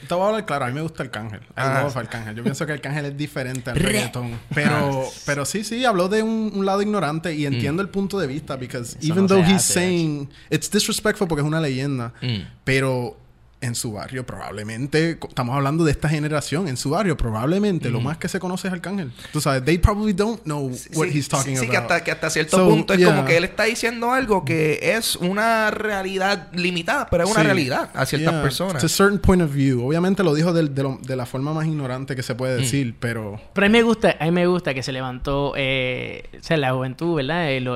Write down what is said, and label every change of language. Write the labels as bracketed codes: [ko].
[es] Te voy a hablar claro. A mí me gusta Arcángel. Arcángel. Yo pienso que Arcángel es diferente al reggaetón. Pero sí, habló de un lado ignorante y entiendo el punto de vista. [en] Because even no though he's hace, saying... It's disrespectful [es] porque es una leyenda. Pero... En su barrio, probablemente... Estamos hablando de esta generación. En su barrio, probablemente, lo más que se conoce es Arcángel. Tú sabes, [en] they probably don't know what he's talking about. [es] Sí, que hasta cierto punto es como que él está diciendo algo que es una realidad limitada, pero es una realidad a ciertas personas. [en] It's a certain point of view. [es] Obviamente lo dijo de la forma más ignorante que se puede decir, pero... Pero a mí me gusta que se levantó la juventud, ¿verdad?